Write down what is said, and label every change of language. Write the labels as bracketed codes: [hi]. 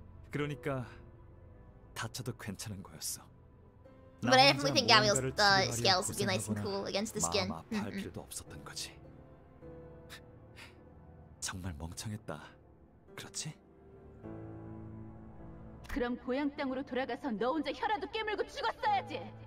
[ko] 그러니까 다쳐도 괜찮은 거였어. [en] But I definitely think Gabriel's scales would be nice and cool against the skin. [ko] 마음 아파할 필요도 없었던 거지. 정말 멍청했다. 그렇지? 그럼 고향 땅으로 돌아가서 너 혼자 혀라도 깨물고 죽었어야지.